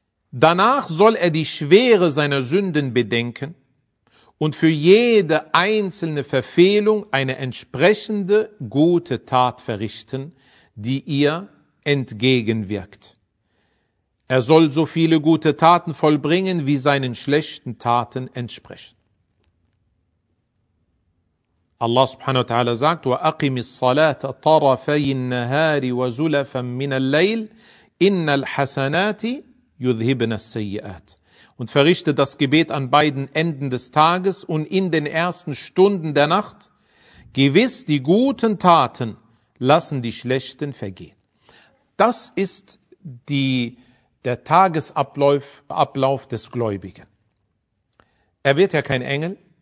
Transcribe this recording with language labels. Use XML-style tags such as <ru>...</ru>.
<de>Danach soll er die Schwere seiner Sünden bedenken und für jede einzelne Verfehlung eine entsprechende gute Tat verrichten, die ihr entgegenwirkt. Er soll so viele gute Taten vollbringen, wie seinen schlechten Taten entsprechen.</de> <ar>Allah subhanahu wa ta'ala</ar> <de>sagt,</de> <ar>وَأَقِمِ الصَّلَاةَ طَرَفَيِ النَّهَارِ وَزُلَفًا مِّنَ اللَّيْلِ إِنَّ الْحَسَنَاتِ يُذْهِبْنَ السَّيِّئَاتِ.</ar> <de>Und verrichte das Gebet an beiden Enden des Tages und in den ersten Stunden der Nacht. Gewiss, die guten Taten lassen die schlechten vergehen. Das ist der Tagesablauf des Gläubigen. Er wird ja kein Engel.</de>